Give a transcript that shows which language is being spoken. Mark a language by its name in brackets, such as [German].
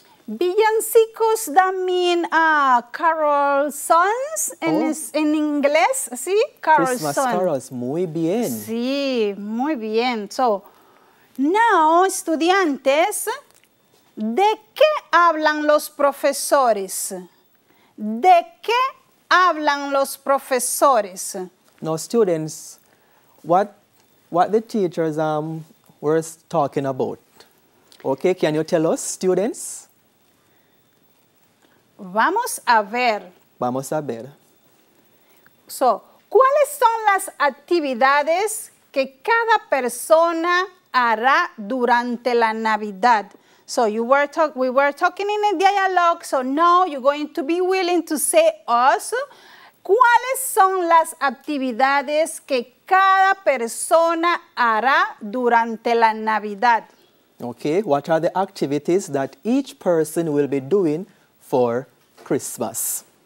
[Spanish] Villancicos también [English] carol songs [Spanish] en inglés, ¿sí? [English] Carol songs. Christmas carols, [Spanish] muy bien. Sí, muy bien. [English] So, now, [Spanish] estudiantes, ¿de qué hablan los profesores? ¿De qué hablan los profesores? [English] Now, students, what the teachers were talking about. Okay, can you tell us, students? [Spanish] Vamos a ver. Vamos a ver. So, ¿cuáles son las actividades que cada persona hará durante la Navidad? [English] So, we were talking in a dialogue, so now you're going to be willing to say us. [Spanish] ¿Cuáles son las actividades que cada persona hará durante la Navidad? [English] Okay, what are the activities that each person will be doing for Christmas?